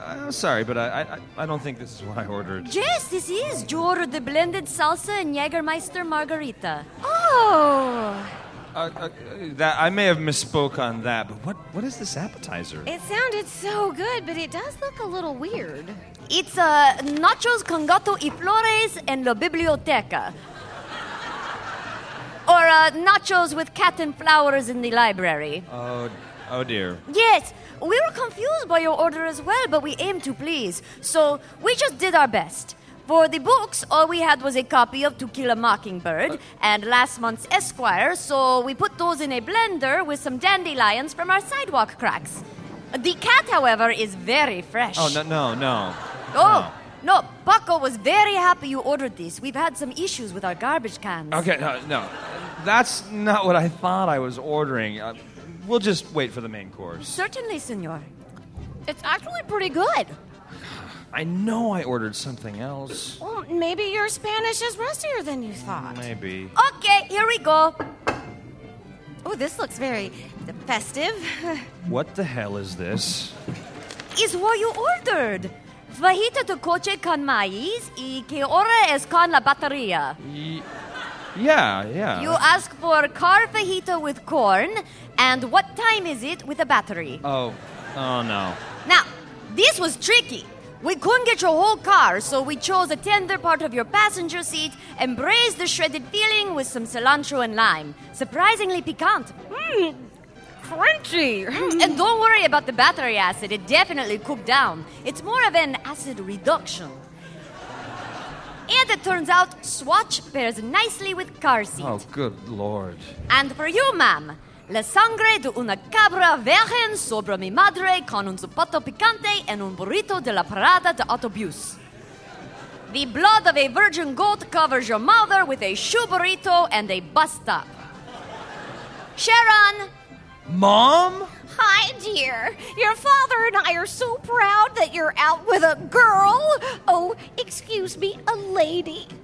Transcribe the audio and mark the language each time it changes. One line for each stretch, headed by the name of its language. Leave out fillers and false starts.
English: Sorry, but I don't think this is what I ordered. Yes, this is. You ordered the blended salsa and Jägermeister margarita. Oh! I may have misspoke on that, but what is this appetizer? It sounded so good, but it does look a little weird.
Spanish: It's nachos con gato y flores en la biblioteca.
English: Or nachos with cat and flowers in the library. Oh dear. Yes, we were confused by your order as well, but we aim to please. So we just did our best. For the books, all we had was a copy of To Kill a Mockingbird and last month's Esquire, so we put those in a blender with some dandelions from our sidewalk cracks. The cat, however, is very fresh. Oh, no. Oh. No. No, Paco was very happy you ordered this. We've had some issues with our garbage cans. Okay, no. That's not what I thought I was ordering. We'll just wait for the main course. Certainly, senor. It's actually pretty good. I know I ordered something else. Well, maybe your Spanish is rustier than you thought. Maybe. Okay, here we go. Oh, this looks very festive. What the hell is this? It's what you ordered.
Spanish: Fajita tu coche con maíz y que hora es con la batería.
English: Yeah. You ask for car fajita with corn and what time is it with a battery. Oh no. Now, this was tricky. We couldn't get your whole car, so we chose a tender part of your passenger seat and braised the shredded filling with some cilantro and lime. Surprisingly piquant. Mmm, crunchy. And don't worry about the battery acid. It definitely cooked down. It's more of an acid reduction. And it turns out Swatch pairs nicely with car seat. Oh, good Lord. And for you, ma'am.
Spanish: La sangre de una cabra virgen sobre mi madre con un zapato picante en un burrito de la parada de autobús.
English: The blood of a virgin goat covers your mother with a shoe burrito and a bus stop. Sharon! Mom? Hi, dear. Your father and I are so proud that you're out with a girl. Oh, excuse me, a lady.